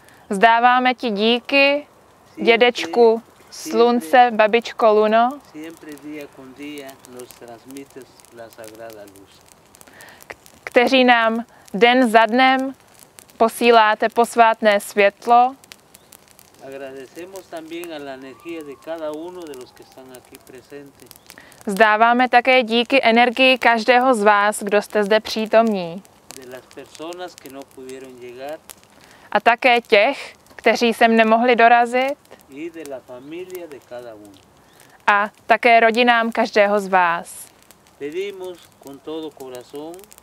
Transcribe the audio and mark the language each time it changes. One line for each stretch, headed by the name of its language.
Czech: Zdáváme ti díky, siempre, dědečku slunce, siempre, babičko luno.
Spanish: Siempre día con día nos transmites la sagrada luz.
Czech: Kteří nám den za dnem posíláte posvátné světlo.
Spanish: Agradecemos también a la energía de cada uno de los que están aquí presente.
Czech: Zdáváme také díky energii každého z vás, kdo jste zde přítomní.
Spanish: Las personas que no pudieron llegar.
Czech: A také těch, kteří sem nemohli dorazit.
Spanish: Y de la familia de cada uno.
Czech: A také rodinám každého z vás.
Spanish: Pedimos con todo corazón.